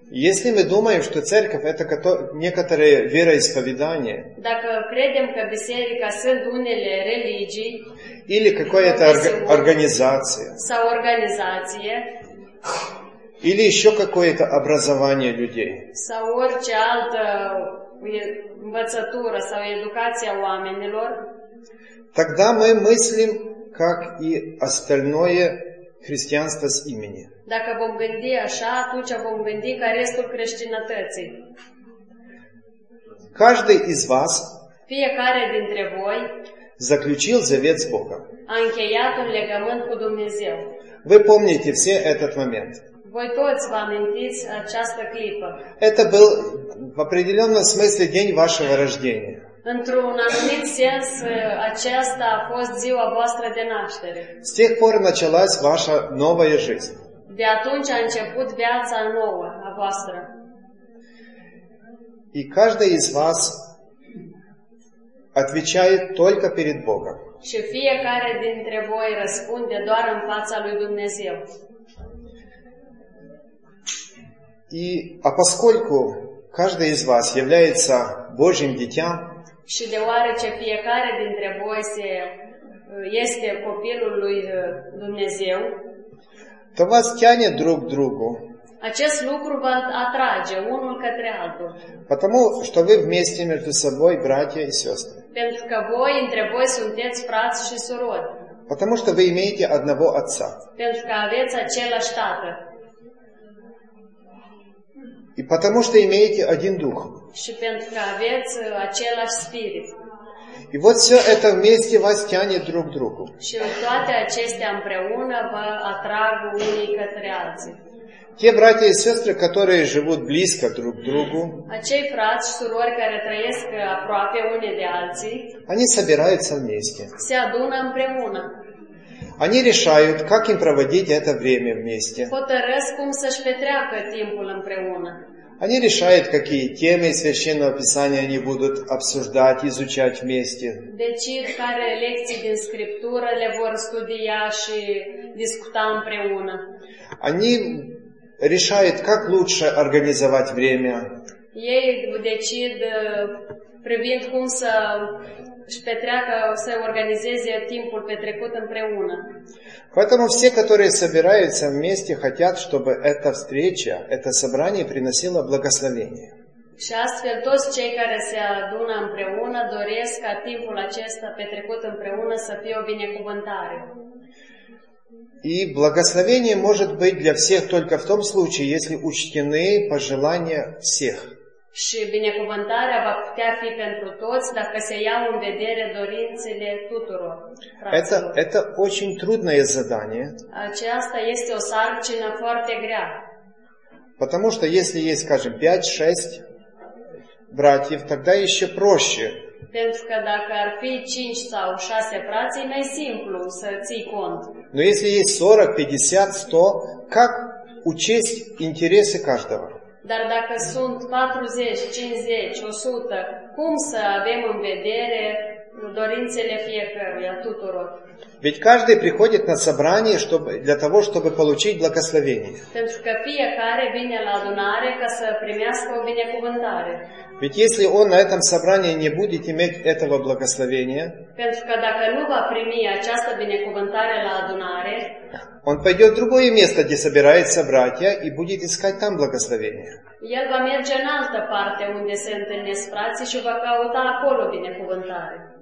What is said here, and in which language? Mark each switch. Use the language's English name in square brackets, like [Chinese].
[Russian] Если мы думаем, что церковь это некоторые вероисповедания, [Romanian] dacă credem că biserica sunt unele religii, [Russian] или какая-то организация, [Romanian] sau organizație, [Russian] или еще какое-то образование людей, [Romanian] sau orice altă învățătură sau educația oamenilor, [Russian] тогда мы мыслим, как и остальное христианство с имени. [Romanian] Dacă vom gândi așa, atunci vom gândi ca restul creștinătății. [Russian] Каждый из вас, [Romanian] fiecare dintre voi, [Russian] заключил завет с Богом. [Romanian] A încheiat un legământ cu Dumnezeu. [Russian] Вы помните все этот момент. [Romanian] Voi toți vă amintiți această clipă. [Russian] Это был в определенном смысле день вашего рождения. [Romanian] Într-un anumit sens, aceasta a fost ziua voastră de naștere. [Russian] С тех пор началась ваша новая жизнь. [Romanian] De atunci a început viața nouă a voastră. [Russian] И каждый из вас отвечает только перед Богом. [Romanian] Și fiecare dintre voi răspunde doar în fața lui Dumnezeu. [Russian] И а поскольку каждый из вас является Божьим дитям, [Romanian] și deoarece fiecare dintre voi este copilul lui Dumnezeu, [Russian] то вас тянет друг к другу. [Romanian] Acest lucru vă atrage unul către altul. [Russian] Потому что вы вместе между собой, братья и сестры. [Romanian] Pentru că voi, între voi, sunteți frați și surori. [Russian] Потому что вы имеете одного отца. [Romanian] Pentru că aveți același tată. [Russian] И потому что имеете один дух. [Romanian] Și pentru că aveți același spirit. [Russian] И вот все это вместе вас тянет друг к другу. [Romanian] Și toate acestea împreună vă atrag unii către alții. [Russian] Те братья и сестры, которые живут близко друг к другу, [Romanian] Acei frați și surori care trăiesc aproape unii de alții, [Russian] они собираются вместе. [Romanian] Se adună împreună. [Russian] Они решают, как им проводить это время вместе. [Romanian] Hotărăsc cum să-și petreacă timpul împreună. [Russian] Они решают, какие темы из Священного Писания они будут обсуждать, изучать вместе. [Romanian] Decid care lecții din Scriptură le vor studia și discuta împreună. [Russian] Они решают, как лучше организовать время. [Romanian] Ei decid privind cum să își petreacă, să organizeze timpul petrecut împreună. [Russian] Поэтому все, которые собираются вместе, хотят, чтобы эта встреча, это собрание приносило благословение. [Romanian] Și astfel toți cei care se adună împreună doresc ca timpul acesta petrecut împreună să fie o binecuvântare. [Russian] И благословение может быть для всех только в том случае, если учтены пожелания всех. [Romanian] Și binecuvântarea va putea fi pentru toți dacă se iau în vedere dorințele tuturor. [Russian] Это очень трудное задание. [Romanian] Aceasta este o sarcină foarte grea. [Russian] Потому что если есть, скажем, 5-6 братьев, тогда еще проще. [Romanian] Pentru că dacă ar fi 5 sau 6 frați, e mai simplu să ții cont. [Russian] Но если есть 40, 50, 100, как учесть интересы каждого? [Romanian] Dar dacă sunt 40, 50, 100, cum să avem în vedere dorințele fiecăruia, tuturor? [Russian] Ведь каждый приходит на собрание, чтобы для того, чтобы получить благословение. [Romanian] Pentru că fiecare vine la adunare ca să primească o binecuvântare. [Russian] Ведь если он на этом собрании не будет иметь этого благословения, [Romanian] pentru că dacă nu va primi această binecuvântare la adunare, [Russian] он пойдет в другое место, где собираются братья, и будет искать там благословение. [Romanian] El va merge în altă parte unde se întâlnesc frații și va căuta acolo binecuvântare.